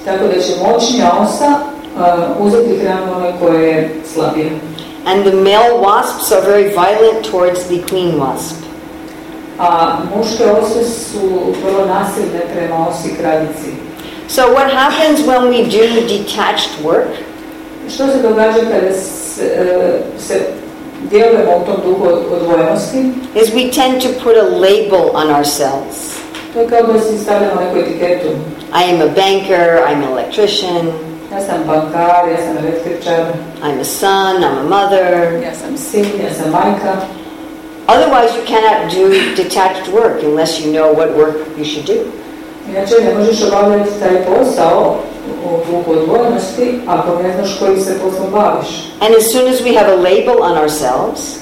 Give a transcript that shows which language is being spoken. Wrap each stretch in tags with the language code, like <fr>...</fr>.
<hr>Tako da će moćnija osa uzeti hranu onoj koja je slabija.</hr> <en>And the male wasps are very violent towards the queen wasp.</en> <hr>A muške ose su vrlo nasilne prema osi kraljici.</hr> <en>So what happens when we do detached work?</en> <hr>Što se događa kada se djelujemo u tom duhu odvojenosti?</hr> <en>Is we tend to put a label on ourselves.</en> <hr>To je kao da si stavljamo neku etiketu.</hr> <en>I am a banker, I'm an electrician.</en> <hr>Ja sam bankar, ja sam električar.</hr> <en>I'm a son, I'm a mother.</en> <hr>Ja sam sin, ja sam majka.</hr> <en>Otherwise you cannot do detached work unless you know what work you should do.</en> <hr>Inače ne možeš obavljati taj posao u duhu odvojenosti ako ne znaš kojim se poslom baviš.</hr> <en>And as soon as we have a label on ourselves,</en>